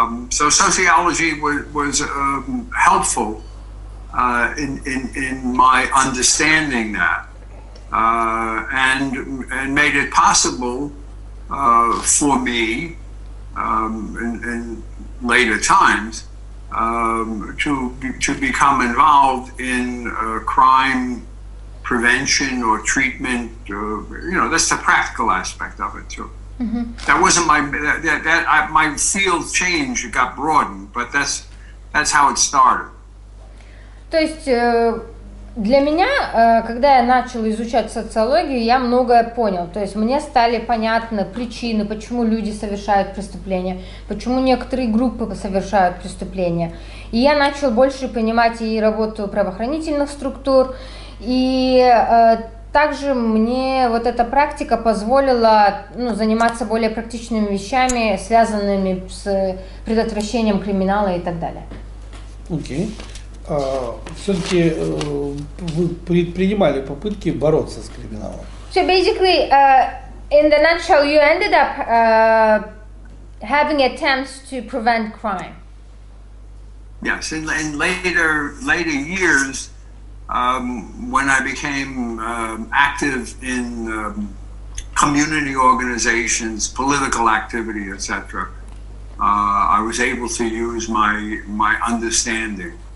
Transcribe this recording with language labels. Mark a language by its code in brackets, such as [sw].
[en] So sociology was helpful in my understanding that, and made it possible for me in later times to become involved in crime prevention or treatment, that's the practical aspect of it too. Mm-hmm. That wasn't my field change got broadened, but that's how it started. [ru] То есть для меня, когда я начал изучать социологию, я многое понял. То есть мне стали понятны причины, почему люди совершают преступления, почему некоторые группы совершают преступления. И я начал больше понимать и работу правоохранительных структур. И также мне вот эта практика позволила заниматься более практичными вещами, связанными с предотвращением криминала и так далее. Окей. Все-таки вы предпринимали попытки бороться с криминалом. [en] So basically, in the nutshell, you ended up having attempts to prevent crime. Yes, in later years, when I became active in community organizations, political activity, etc., I was able to use my understanding.